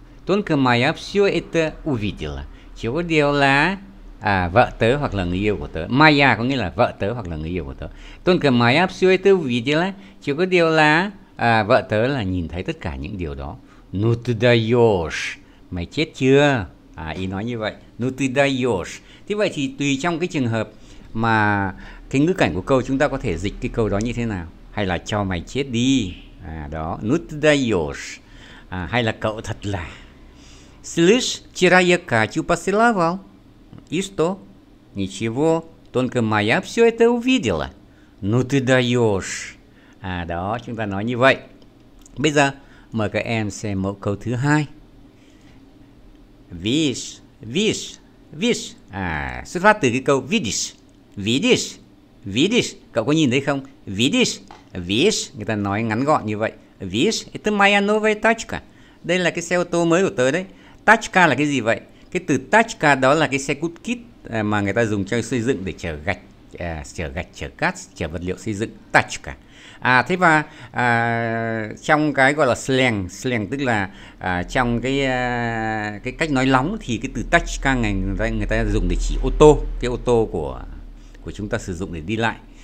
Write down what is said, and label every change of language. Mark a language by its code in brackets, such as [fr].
[ru] Только моя все это увидела. [vi] Chỉ có điều là vợ tớ hoặc là người yêu của tớ. Maya có nghĩa là vợ tớ hoặc là người yêu của tớ. [ru] Только моя все это увидела. [vi] Chỉ có điều là vợ tớ là nhìn thấy tất cả những điều đó. [ru] Ну ты даешь. [vi] Mày chết chưa? Ý nói như vậy. [ru] Ну ты даешь. [vi] Thế vậy thì tùy trong cái trường hợp mà cái ngữ cảnh của câu, chúng ta có thể dịch cái câu đó như thế nào. Hay là cho mày chết đi. Đó. [ru] Ну ты даешь. [vi] Hay là cậu thật là. [ru] Слышь, вчера я Катю поцеловал. И что? Ничего. Только моя все это увидела. Ну ты даешь. [vi] Đó. Chúng ta nói như vậy. Bây giờ mời các em xem mẫu câu thứ hai. [ru] Видишь, видишь, видишь. [vi] Xuất phát từ cái câu видишь. [ru] Видишь, видишь. [vi] Cậu có nhìn thấy không? Видишь, видишь. Người ta nói ngắn gọn như vậy. [ru] Видишь, это моя новая тачка. [vi] Đây là cái xe ô tô mới của tớ đấy. Тачка là cái gì vậy? Cái từ тачка đó là cái xe cút kít mà người ta dùng cho xây dựng, để chở gạch, chở cát, chở vật liệu xây dựng. [ru] Тачка. [vi] Thế và trong cái gọi là slang, slang tức là trong cái cách nói lóng, thì cái từ тачка người ta dùng để chỉ ô tô, cái ô tô của chúng ta sử dụng để đi lại.